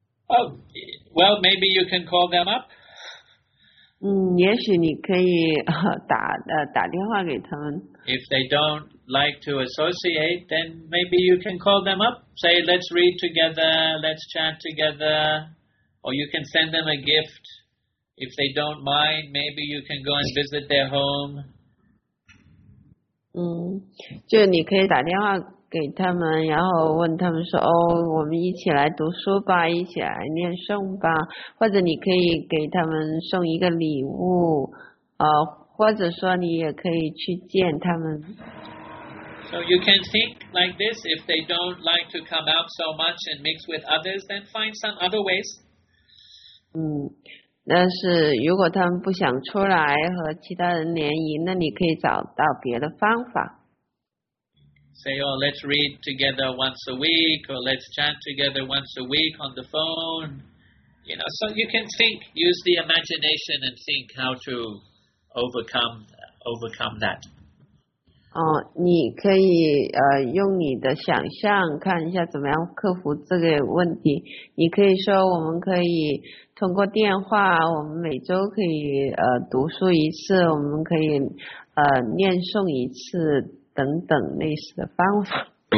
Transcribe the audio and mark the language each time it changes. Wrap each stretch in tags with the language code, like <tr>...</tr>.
<en>Oh, well, maybe you can call them up.</en> <zh>也许你可以打电话给他们。</zh> <en>If they don't like to associate, then maybe you can call them up. Say, let's read together, let's chant together, or you can send them a gift. If they don't mind, maybe you can go and visit their home.</en> <zh>就你可以打电话给他们，然后问他们说，哦，我们一起来读书吧，一起来念诵吧，或者你可以给他们送一个礼物，或者说你也可以去见他们。</zh> <en>So you can think like this, if they don't like to come out so much and mix with others, then find some other ways.</en> <zh>但是如果他们不想出来和其他人联谊，那你可以找到别的方法。</zh> <en>Say, oh, let's read together once a week, or let's chant together once a week on the phone. You know, so you can think, use the imagination and think how to overcome that.</en> <zh>哦，你可以用你的想象看一下怎么样克服这个问题。你可以说我们可以通过电话，我们每周可以读书一次，我们可以念诵一次等等类似的方法。</zh>